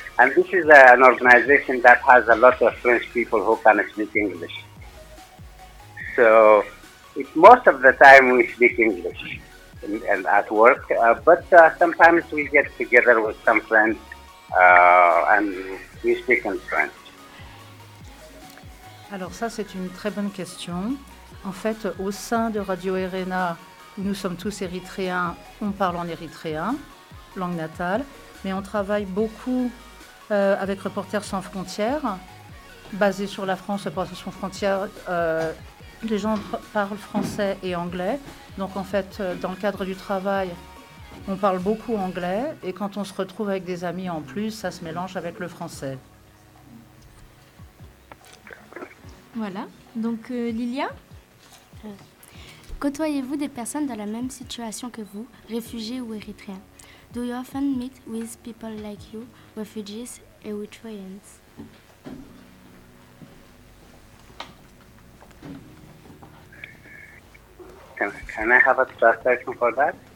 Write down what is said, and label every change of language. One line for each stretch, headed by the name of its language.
English: And this is an organization that has a lot of French people who can speak English. So, most of the time we speak English and at work, but sometimes we get together with some friends and we speak in French.
French: Alors ça, c'est une très bonne question. En fait, au sein de Radio Arena, nous sommes tous érythréens, on parle en érythréen, langue natale, mais on travaille beaucoup avec Reporters Sans Frontières, basé sur la France, Reporters Sans Frontières, les gens parlent français et anglais, donc en fait, dans le cadre du travail, on parle beaucoup anglais, et quand on se retrouve avec des amis en plus, ça se mélange avec le français. Voilà, donc Lilia, côtoyez-vous des personnes dans la même situation que vous, réfugiés ou érythréens?
English: Do you often meet with people like you, refugees and Eritreans? Can I have a translation for that?